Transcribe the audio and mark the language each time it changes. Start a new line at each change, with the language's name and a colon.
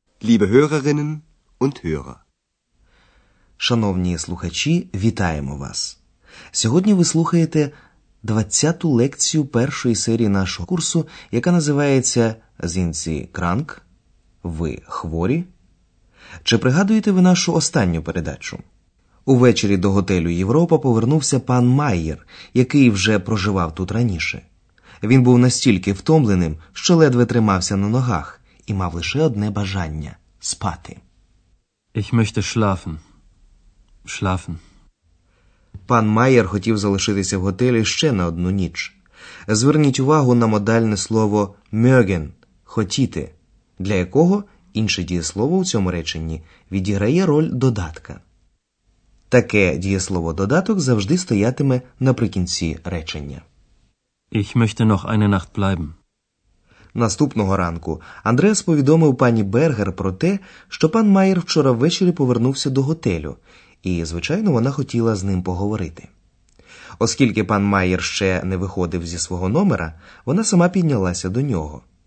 German: Liebe Hörerinnen und Hörer.
Ukrainian: Шановні слухачі, вітаємо вас. Сьогодні ви слухаєте 20-ту лекцію першої серії нашого курсу, яка називається «Зінці Кранк? Ви хворі?» Чи пригадуєте ви нашу останню передачу? Увечері до готелю «Європа» повернувся пан Майєр, який вже проживав тут раніше. Він був настільки втомленим, що ледве тримався на ногах і мав лише одне бажання – спати.
German: Ich möchte schlafen. Schlafen.
Ukrainian: Пан Майєр хотів залишитися в готелі ще на одну ніч. Зверніть увагу на модальне слово «мьоген» – «хотіти», для якого інше дієслово у цьому реченні відіграє роль додатка. Таке дієслово-додаток завжди стоятиме наприкінці речення.
German: Ich möchte noch eine Nacht bleiben.
Ukrainian: Наступного ранку Андреас повідомив пані Бергер про те, що пан Майєр вчора ввечері повернувся до готелю, і, звичайно, вона хотіла з ним поговорити. Оскільки пан Майєр ще не виходив зі свого номера, вона сама піднялася до нього.